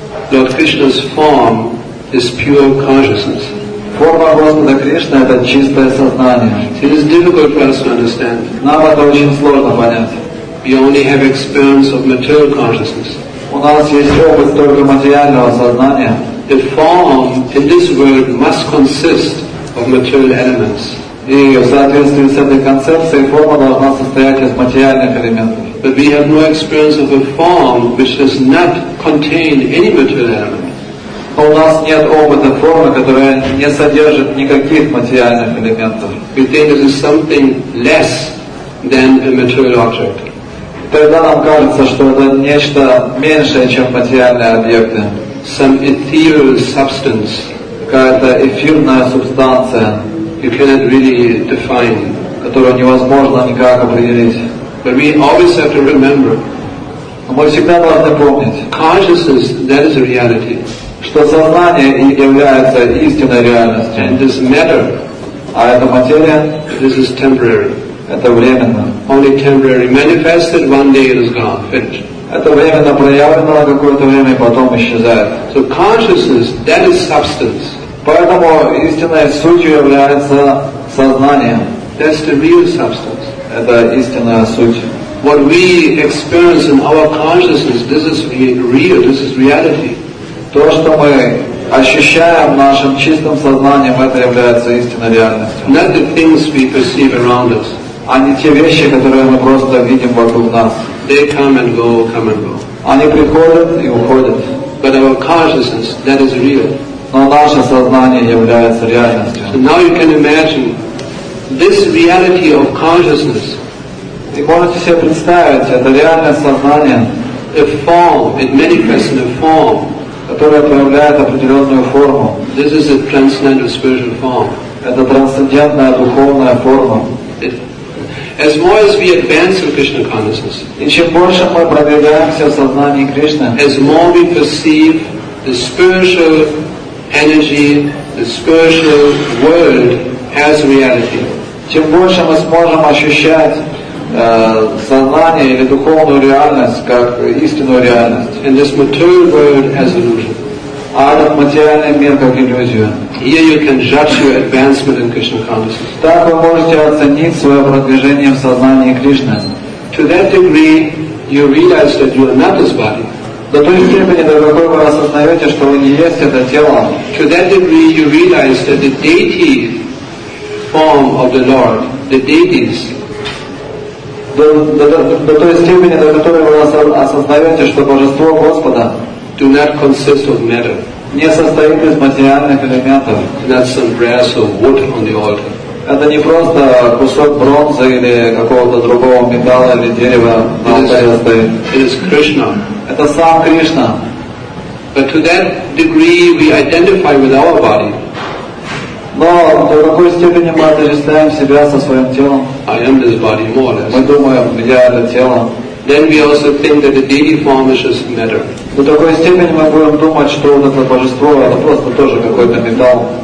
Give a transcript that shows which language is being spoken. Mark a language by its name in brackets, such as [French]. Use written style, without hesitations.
[English] Lord Krishna's form is pure consciousness. [Russian] Форма Господа Кришны — это чистое сознание. [English] It is difficult for us to understand. [Russian] Нам это очень сложно понять. [English] We only have experience of material consciousness. [Russian] У нас есть опыт только материального сознания. [English] The form in this world must consist of material elements. [Russian] И в соответствии с этой концепцией форма должна состоять из материальных элементов. [English] But we have no experience of a form which does not contain any material element. [Russian] Но у нас нет опыта формы, которая не содержит никаких материальных элементов. [English] We think it is something less than a material object. [Russian] Тогда нам кажется, что это нечто меньшее, чем материальные объекты. [English] Some ethereal substance. [Russian] Какая-то эфирная субстанция. [English] You cannot really define, [Russian] которую невозможно никак определить. [English] But we always have to remember. [Russian] Мы всегда должны помнить. [English] Consciousness, that is reality. [Russian] Что сознание является истинной реальностью. [English] And this matter, [Russian] а это материя, [English] this is temporary. [Russian] Это временно. [English] Only temporary. Manifested one day, it is gone. Finished. [Russian] Это временно проявлено на какое-то время, и потом исчезает. [English] So consciousness, that is substance. [Russian] Поэтому истинной сутью является сознание. [English] That's the real substance. [Russian] Это истинная суть. [English] What we experience in our consciousness, this is real, this is reality. [Russian] То, что мы ощущаем нашим чистым сознанием, это является истинной реальностью. [English] Not the things we perceive around us. [Russian] А не те вещи, которые мы просто видим вокруг нас. [English] They come and go, come and go. [Russian] Они приходят и уходят. [English] But our consciousness, that is real. [Russian] Но наше сознание является реальностью. [English] So now you can imagine this reality of consciousness. [Russian] И можете себе представить это реальное сознание, [English] a form, it manifests in a form, [Russian] которое проявляет определенную форму. [English] This is a transcendental spiritual form. [Russian] Это трансцендентная духовная форма. [English] As more as we advance in Krishna consciousness, [Russian] и чем больше мы продвигаемся в сознании Кришны, [English] as more we perceive the spiritual energy, the spiritual world as reality. [Russian] Чем больше мы сможем ощущать сознание или духовную реальность как истинную реальность, [English] and this material world as illusion. [Russian] А этот материальный мир как иллюзию. [English] Here you can judge your advancement in Krishna consciousness. [Russian] Так вы можете оценить свое продвижение в сознании Кришны. [English] To that degree, you realize that you are not this body. [Russian] До той степени, до какой вы осознаете, что вы не есть это тело. [English] To that degree you realize that the deity form of the Lord, the deities. [Russian] До той степени, до которой вы осознаете, что Божество Господа [English] do not consist of matter. [Russian] Не состоит из материальных элементов. [English] Not some brass or wood on the altar. [Russian] Это не просто кусок бронзы или какого-то другого металла или дерева на алтаре стоит. [English] It is Krishna. [Russian] Это сам Кришна. [English] But to that degree we identify with our body. [Russian] Но до какой степени мы отождествляем себя со своим телом? [English] I am this body more or less. [Russian] Мы думаем, я это тело. [English] Then we also think that the deity form is just matter. [Russian] До такой степени мы будем думать, что это божество, это просто тоже какой-то металл.